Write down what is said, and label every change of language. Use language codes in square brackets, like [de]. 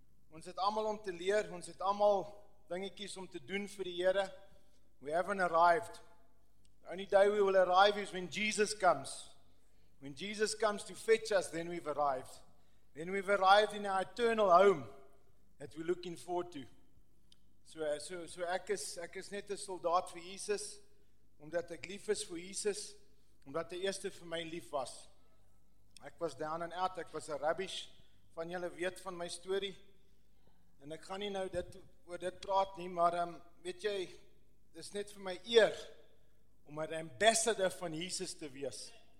[af] Ons het allemaal om te leer, ons het allemaal dingetjies om te doen vir die Here. [en] We haven't arrived. The only day we will arrive is when Jesus comes. When Jesus comes to fetch us, then we've arrived. Then we've arrived in our eternal home that we're looking forward to. [af] So ek is net 'n soldaat vir Jesus, omdat ek lief is vir Jesus, omdat hy eerste vir my lief was. Ek was [en] down and out, [af] ek was 'n rubbish, van julle weet van my story, en ek gaan nie nou dit oor dit praat nie, maar weet jy, dis net vir my eer om 'n ambassador van Jesus te wees.